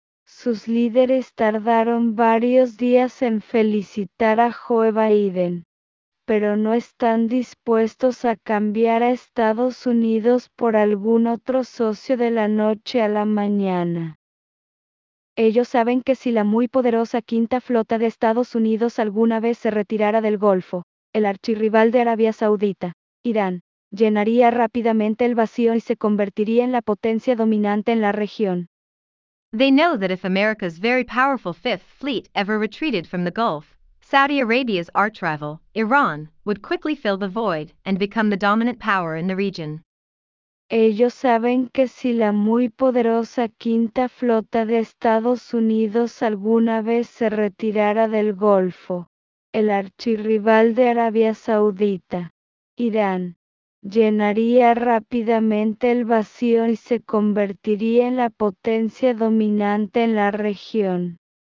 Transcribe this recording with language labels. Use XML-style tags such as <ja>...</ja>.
<es>Sus líderes tardaron varios días en felicitar a Joe Biden, pero no están dispuestos a cambiar a Estados Unidos por algún otro socio de la noche a la mañana. Ellos saben que si la muy poderosa quinta flota de Estados Unidos alguna vez se retirara del Golfo, el archirrival de Arabia Saudita, Irán, llenaría rápidamente el vacío y se convertiría en la potencia dominante en la región.</es> <en>They know that if America's very powerful Fifth Fleet ever retreated from the Gulf, Saudi Arabia's arch-rival, Iran, would quickly fill the void and become the dominant power in the region.</en> <es>Ellos saben que si la muy poderosa quinta flota de Estados Unidos alguna vez se retirara del Golfo, el archirrival de Arabia Saudita, Irán, llenaría rápidamente el vacío y se convertiría en la potencia dominante en la región.</es>